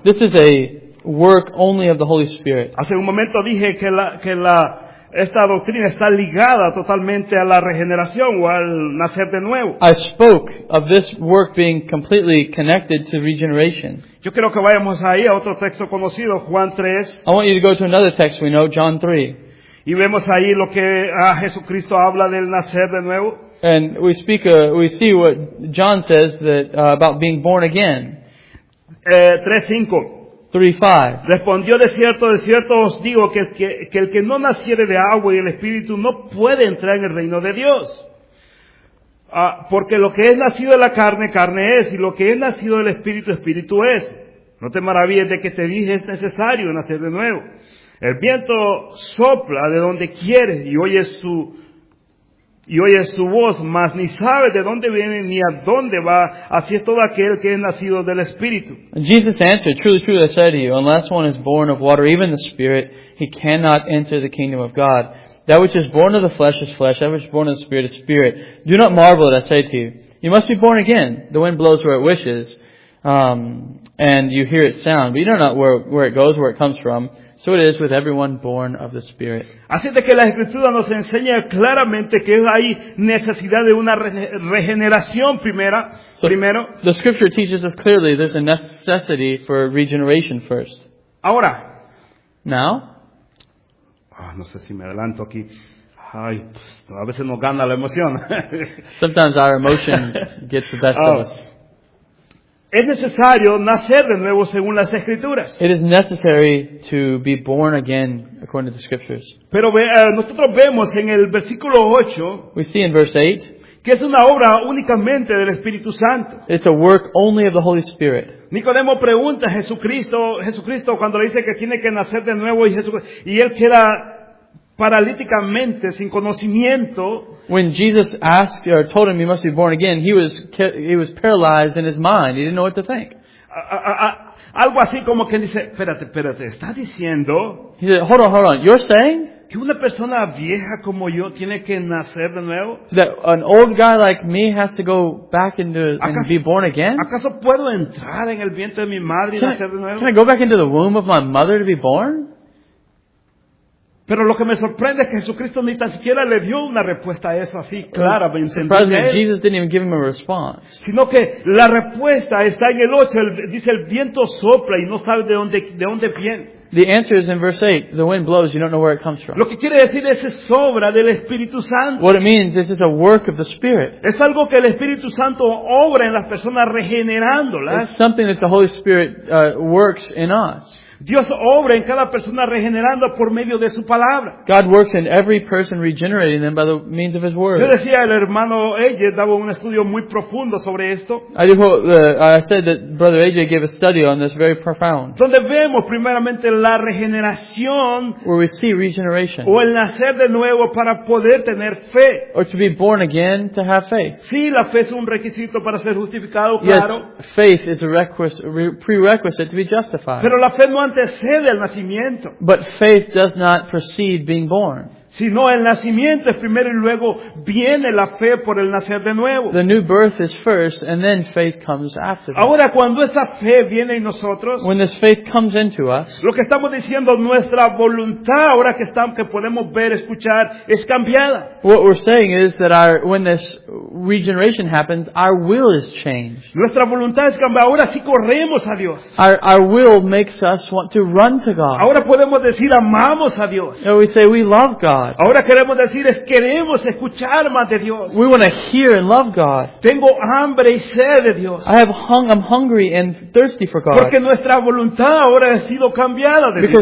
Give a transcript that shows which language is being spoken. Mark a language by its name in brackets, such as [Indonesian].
[English] This is a work only of the Holy Spirit. [Spanish] Hace un momento dije que esta doctrina está ligada totalmente a la regeneración o al nacer de nuevo. [English] I spoke of this work being completely connected to regeneration. [Spanish] Yo quiero que vayamos ahí a otro texto conocido, Juan 3. [English] I want you to go to another text we know, John 3. [Spanish] Y vemos ahí lo que Jesucristo habla del nacer de nuevo. [English] And we see what John says that about being born again. [Spanish] 3:5. [English] 3:5. [Spanish] Respondió, de cierto os digo que el que no naciere de agua y el Espíritu no puede entrar en el reino de Dios. Porque lo que es nacido de la carne, carne es, y lo que es nacido del Espíritu, Espíritu es. No te maravilles de que te dije, es necesario nacer de nuevo. El viento sopla de donde quiere y oye su voz, mas ni sabe de dónde viene ni a dónde va. Así es todo aquel que es nacido del Espíritu. [English] Jesus answered, truly, truly, I say to you, unless one is born of water, even the Spirit, he cannot enter the kingdom of God. That which is born of the flesh is flesh, that which is born of the Spirit is spirit. Do not marvel that I say to you, you must be born again. The wind blows where it wishes, And you hear its sound, but you don't know where it goes, where it comes from. So it is with everyone born of the Spirit. [Spanish] Así de que la Escritura nos enseña claramente que hay necesidad de una regeneración primero. [English] The Scripture teaches us clearly there's a necessity for regeneration first. [Spanish] Ahora. [English] Now. [Spanish] No sé si me adelanto aquí. Ay, a veces nos gana la emoción. [English] Sometimes our emotion gets the best of us. [Spanish] Es necesario nacer de nuevo según las Escrituras. [English] It is necessary to be born again according to the Scriptures. [Spanish] Pero nosotros vemos en el versículo 8, [English] we see in verse 8, [Spanish] que es una obra únicamente del Espíritu Santo. [English] It's a work only of the Holy Spirit. [Spanish] Nicodemo pregunta a Jesucristo cuando le dice que tiene que nacer de nuevo y él queda paralíticamente sin conocimiento. [English] When Jesus asked or told him he must be born again, he was paralyzed in his mind. He didn't know what to think. [Spanish] Algo así como quien dice, espérate, está diciendo. [English] He said, hold on, you're saying? [Spanish] Que una persona vieja como yo tiene que nacer de nuevo? [English] That an old guy like me has to go back into and be born again? [Spanish] ¿Acaso puedo entrar en el vientre de mi madre y nacer de nuevo? [English] Can I go back into the womb of my mother to be born? [Spanish] Pero lo que me sorprende es que Jesucristo ni tan siquiera le dio una respuesta a eso así clara. [English] Jesus didn't even give him a response. [Spanish] Sino que la respuesta está en el 8. Dice, el viento sopla y no sabe de dónde viene. [English] The answer is in verse 8. The wind blows, you don't know where it comes from. [Spanish] Lo que quiere decir es obra del Espíritu Santo. [English] What it means is it's a work of the Spirit. [Spanish] Es algo que el Espíritu Santo obra en las personas regenerándolas. [English] It's something that the Holy Spirit works in us. [Spanish] Dios obra en cada persona regenerando por medio de su palabra. [English] God works in every person regenerating them by the means of His word. [Spanish] Yo decía el hermano AJ daba un estudio muy profundo sobre esto. [English] I said that brother AJ gave a study on this very profound. [Spanish] Donde vemos primeramente la regeneración. [English] Where we see regeneration. [Spanish] O el nacer de nuevo para poder tener fe. [English] Or to be born again to have faith. [Spanish] Sí, la fe es un requisito para ser justificado, claro. [English] Yes, faith is a prerequisite to be justified. [Spanish] Pero la fe no antecede al nacimiento. [English] But faith does not precede being born. [Spanish] Sino el nacimiento es primero y luego viene la fe por el nacer de nuevo. [English] The new birth is first and then faith comes after. [Spanish] Ahora cuando esa fe viene en nosotros, [English] when this faith comes into us, [Spanish] lo que estamos diciendo, nuestra voluntad ahora que estamos, que podemos ver, escuchar, es cambiada. [English] What we're saying is that when this regeneration happens, our will is changed. [Spanish] Nuestra voluntad es cambiada. Ahora sí corremos a Dios. [English] Our will makes us want to run to God. [Spanish] Ahora podemos decir, amamos a Dios. [English] And we say we love God. [Spanish] Ahora queremos decir es queremos escuchar más de Dios. [English] We want to hear and love God. [Spanish] Tengo hambre y sed de Dios. [English] I'm hungry and thirsty for God. [Spanish] Porque nuestra voluntad ahora ha sido cambiada de Dios.